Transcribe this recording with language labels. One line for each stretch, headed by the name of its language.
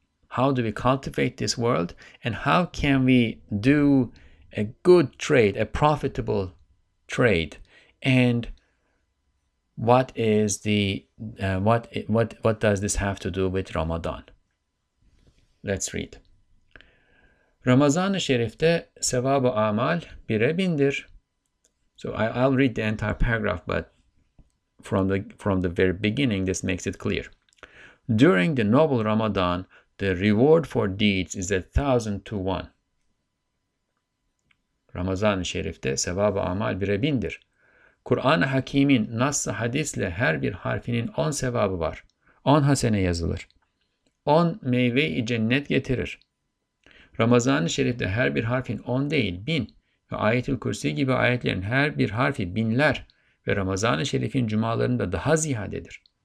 English: How do we cultivate this world? And how can we do a good trade, a profitable trade? And what is the what does this have to do with Ramadan? Let's read.
Turkish: Ramazan-ı Şerif'te sevab-ı amal bire bindir.
English: So I'll read the entire paragraph, but from the very beginning, this makes it clear. During the noble Ramadan, the reward for deeds is 1,000 to 1.
Turkish: Ramazan-ı Şerif'te sevab-ı amal bire bindir. Kur'an-ı Hakîm'in nas-ı hadisle her bir harfinin 10 sevabı var. 10 hasene yazılır. 10 meyve-i cennet getirir. Ramazan-ı Şerif'te her bir harfin 10 değil, 1000 ve Ayet-ül Kürsi gibi ayetlerin her bir harfi binler ve Ramazan-ı Şerif'in cumalarında daha ziyadedir.